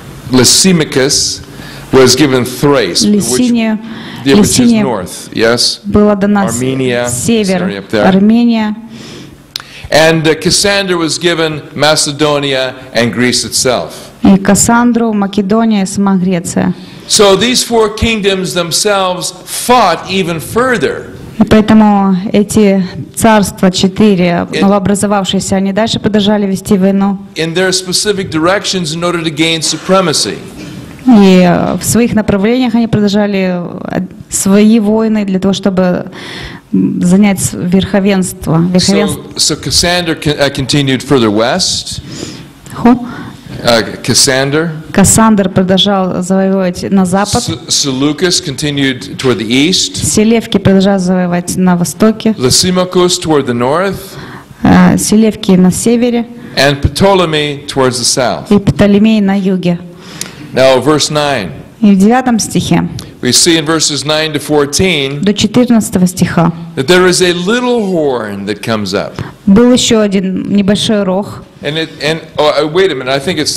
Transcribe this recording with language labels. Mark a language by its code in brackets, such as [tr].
[en] Lysimachus was given Thrace, which is north. Yes. [ru] Была дана Армения. Север. Армения. [en] And Cassander was given Macedonia and Greece itself. [ru] И Кассандру Македония и сама Греция. [en] So these four kingdoms themselves fought even further. [ru] И поэтому эти царства четыре новообразовавшиеся, они дальше продолжали вести войну. [en] In their specific directions, in order to gain supremacy. [ru] И в своих направлениях они продолжали свои войны для того, чтобы занять верховенство. [en] So Cassander continued further west. Who? Cassander. [ru] Кассандр продолжал завоевывать на запад. [en] Seleucus continued toward the east. [ru] Селевки продолжал завоевывать на востоке. [en] Lysimachus toward the north. [ru] Селевки на севере. [en] And Ptolemy towards the south. [ru] И Птолемей на юге. [en] Now verse 9. [ru] И в девятом стихе. [en] We see in verses 9 to 14. [ru] До 14 стиха. [en] That there is a little horn that comes up. [ru] Был еще один небольшой рог. [en] And wait a minute. I think it's time.